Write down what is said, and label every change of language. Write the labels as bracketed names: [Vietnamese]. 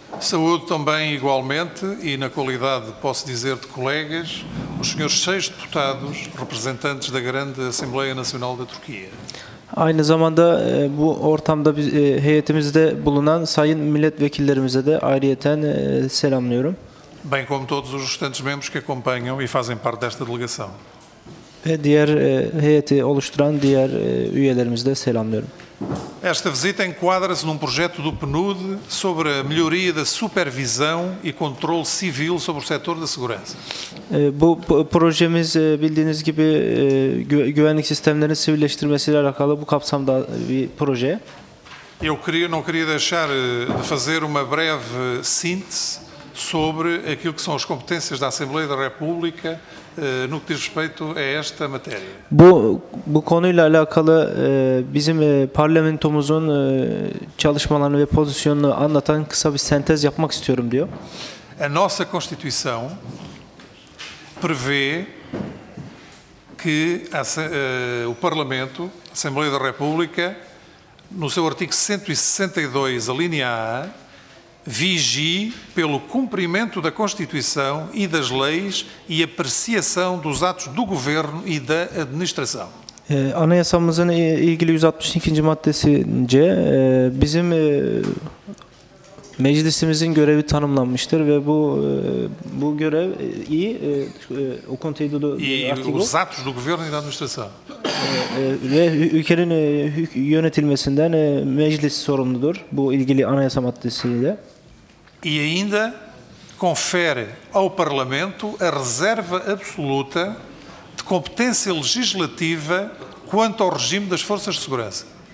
[Portuguese] Saúdo também igualmente e na qualidade posso dizer de colegas os senhores seis deputados representantes da Grande Assembleia Nacional da Turquia. [Turkish] Aynı zamanda bu ortamda biz, heyetimizde bulunan sayın milletvekillerimize de ayrıyeten selamlıyorum. [Portuguese] Bem como todos os restantes membros que acompanham e fazem parte desta delegação. [Turkish] Ve diğer heyeti oluşturan diğer üyelerimize de selamlıyorum. [Portuguese] Esta visita enquadra-se num projeto do PNUD sobre a melhoria da supervisão e controle civil sobre o setor da segurança. [Turkish] Bu projemiz bildiğiniz gibi güvenlik sistemlerini sivilleştirmesiyle alakalı bu kapsamda bir proje. [Portuguese] Eu não queria deixar de fazer uma breve síntese sobre aquilo que são as competências da Assembleia da República no que diz respeito a esta matéria. [Turkish] Bu konuyla alakalı bizim parlamentomuzun çalışmalarını ve pozisyonunu anlatan kısa bir sentez yapmak istiyorum diyor. [Portuguese] A nossa Constituição prevê que o Parlamento, a Assembleia da República, no seu artigo 162, a linha A, vigie pelo cumprimento da Constituição e das leis e apreciação dos atos do governo e da administração. [Turkish] Anayasamızın ilgili 162. maddesince bizim meclisimizin görevi tanımlanmıştır ve bu görev iyi okuntuydu [Portuguese] da os atos do governo e da administração. [Turkish] Ve ülkenin yönetilmesinden meclis sorumludur bu ilgili anayasa maddesiyle. [Portuguese] E ainda confere ao Parlamento a reserva absoluta de competência legislativa quanto ao regime das forças de segurança.